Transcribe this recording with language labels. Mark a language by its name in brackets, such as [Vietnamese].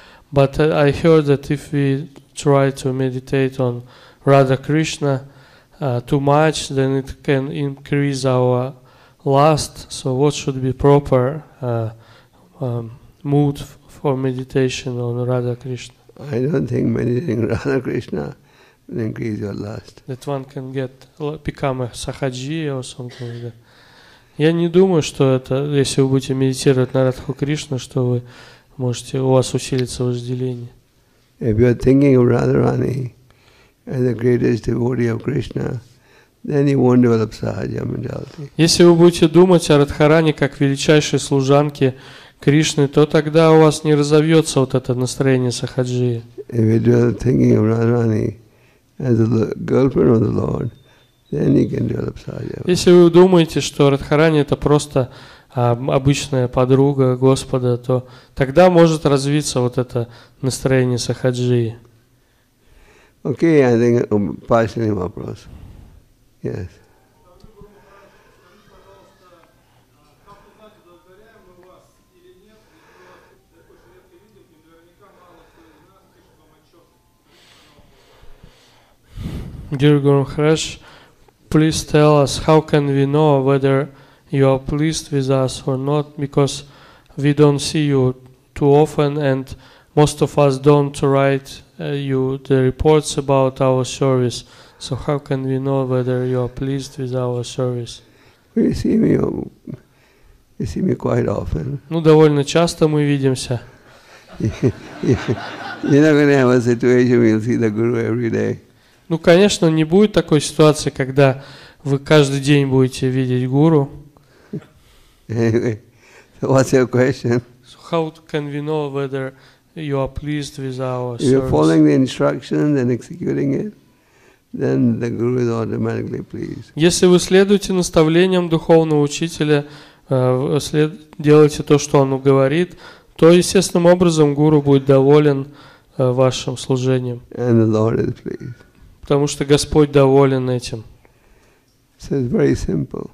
[English] But I heard that if we try to meditate on Radha Krishna too much, then it can increase our lust. So what should be proper mood for meditation on Radha Krishna? I don't think meditating on Radha Krishna will increase your lust. That one can get become a sahaji or something like that. [Russian] Я не думаю, что это, если вы будете медитировать на Радху Кришну, что вы можете, у вас усилится вожделение. [English] If you're thinking of Radharani as the greatest devotee of Krishna, then you won't develop sahaja mentality. [Russian] Если вы будете думать о Радхаране как величайшей служанке Кришны, то тогда у вас не разовьется вот это настроение сахаджи. [English] If you're thinking of Radharani as the girlfriend of the Lord, then you can develop sahaja. [Russian] Если вы думаете, что Радхарани это просто обычная подруга Господа, то тогда может развиться вот это настроение сахаджи. Окей, я думаю, последний вопрос. [English] Yes. Dear Guru Maharaj, please tell us how can we know whether you are pleased with us or not, because we don't see you too often and most of us don't write you the reports about our service. So how can we know whether you are pleased with our service? You see me quite often. [Russian] Ну, довольно часто мы видимся. [English] You're not going to have a situation where you'll see the Guru every day. [Russian] Ну, конечно, не будет такой ситуации, когда вы каждый день будете видеть гуру. [English] Anyway, what's your question? So how can we know whether you are pleased with our service? If you're following the instructions and executing it, then the guru is automatically pleased. [Russian] Если вы следуете наставлениям духовного учителя, делаете то, что он говорит, то естественным образом гуру будет доволен вашим служением. [English] And the Lord is pleased. [Russian] Потому что Господь доволен этим. [English] So it's very simple.